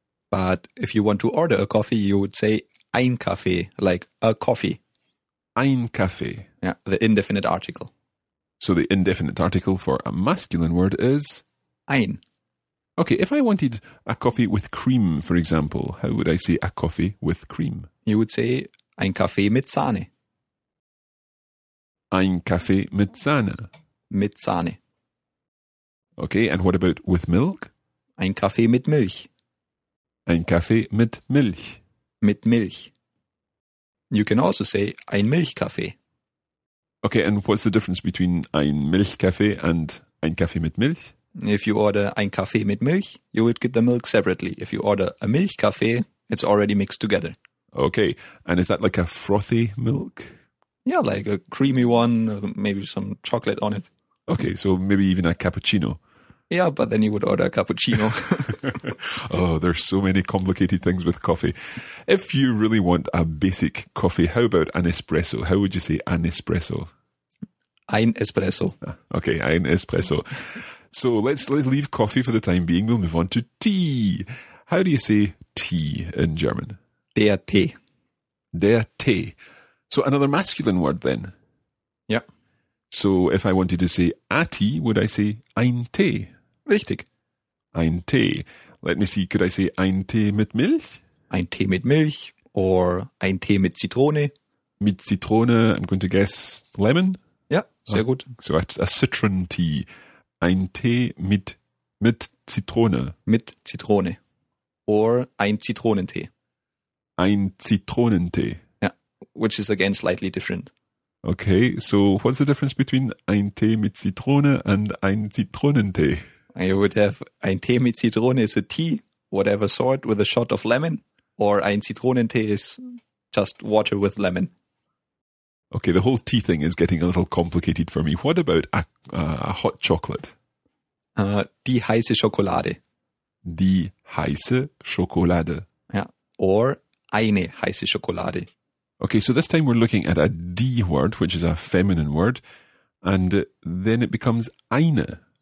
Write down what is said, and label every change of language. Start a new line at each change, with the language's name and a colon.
English: But if you want to order a coffee, you would say
German: ein Kaffee,
English: like a coffee.
German: Ein Kaffee.
English: Yeah, the indefinite article. So, the indefinite article for a masculine word is?
German: Ein.
English: Okay, if I wanted a coffee with cream, for example, how would I say a coffee with cream? You would say
German: ein Kaffee mit Sahne. Ein Kaffee mit Sahne. Mit Sahne.
English: Okay, and what about with milk?
German: Ein Kaffee mit Milch. Ein Kaffee mit Milch. Mit Milch.
English: You can also say
German: ein Milchkaffee.
English: Okay, and what's the difference between
German: ein Milchkaffee
English: and
German: ein Kaffee mit Milch?
English: If you order
German: ein Kaffee mit Milch,
English: you would get the milk separately. If you order a Milchkaffee, it's already mixed together. Okay, and is that like a frothy milk? Yeah, like a creamy one, maybe some chocolate on it. Okay, so maybe even a cappuccino. Yeah, but then you would order a cappuccino. Oh, there's so many complicated things with coffee. If you really want a basic coffee, how about an espresso? How would you say an espresso?
German: Ein espresso. Okay, ein espresso.
English: So let's leave coffee for the time being. We'll move on to tea. How do you say tea in German?
German: Der Tee. Der Tee.
English: So another masculine word then. Yeah. So if I wanted to say a tea, would I say
German: ein Tee? Richtig. Ein Tee.
English: Let me see, could I say
German: ein Tee mit Milch? Ein Tee mit Milch or ein Tee mit Zitrone. Mit Zitrone,
English: I'm going to guess lemon? Yeah,
German: sehr gut.
English: So a citron tea.
German: Ein Tee mit Zitrone. Mit Zitrone. Or ein Zitronentee. Ein Zitronentee.
English: Which is again slightly different. Okay, so what's the difference between
German: ein Tee mit Zitrone
English: and
German: ein Zitronentee?
English: You would have
German: ein Tee mit Zitrone
English: is a tea, whatever sort, with a shot of lemon, or
German: ein Zitronentee
English: is just water with lemon. Okay, the whole tea thing is getting a little complicated for me. What about a hot chocolate?
German: Die heiße Schokolade. Die heiße Schokolade.
English: Yeah, or
German: eine heiße Schokolade.
English: Okay, so this time we're looking at a die word, which is a feminine word, and then it becomes eine.